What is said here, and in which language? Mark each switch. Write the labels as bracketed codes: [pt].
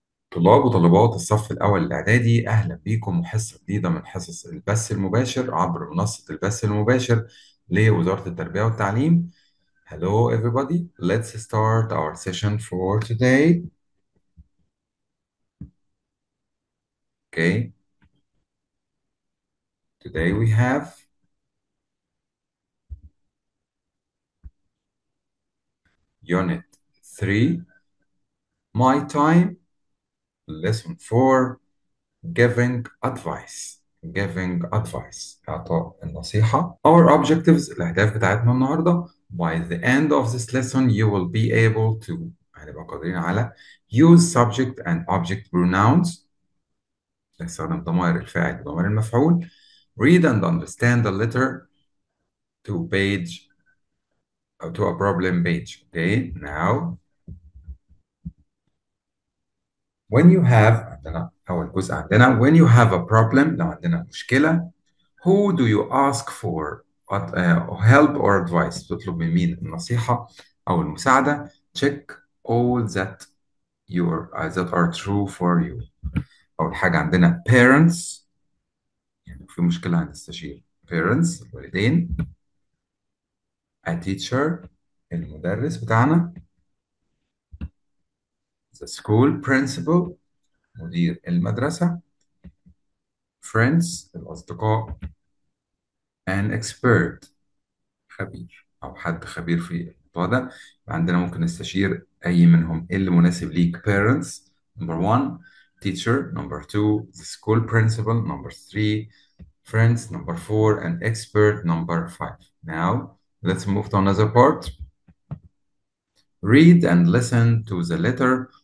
[ar] طلاب وطالبات الصف الأول الإعدادي، أهلا بيكم وحصة جديدة من حصص البث المباشر عبر منصة البث المباشر لوزارة التربية والتعليم. [en] Hello everybody, let's start our session for today. Okay. Today we have Unit 3, My Time. Lesson 4, giving advice. Giving advice, [ar] إعطاء النصيحة. [en] Our objectives, [ar] الأهداف بتاعتنا النهاردة. [en] By the end of this lesson, you will be able to, [ar] هنبقى قادرين على [en] use subject and object pronouns. [ar] نستخدم ضمائر الفاعل وضمائر المفعول. [en] Read and understand the letter to page or to a problem page. Okay, now. When you have, [ar] عندنا أول جزء عندنا, [en] when you have a problem, [ar] لو عندنا مشكلة, [en] who do you ask for help or advice? [ar] تطلب من مين النصيحة أو المساعدة? [en] Check all that that are true for you. [ar] أول حاجة عندنا parents, يعني في مشكلة هنستشير parents, الوالدين, a teacher, المدرس بتاعنا, [en] the school principal, [ar] مدير المدرسة, friends, الأصدقاء, and expert, خبير أو حد خبير في الموضوع ده. عندنا ممكن نستشير أي منهم اللي مناسب ليك. [en] Parents, number one, teacher, number two, the school principal, number three, friends, number four, and expert, number five. Now, let's move to another part. Read and listen to the letter.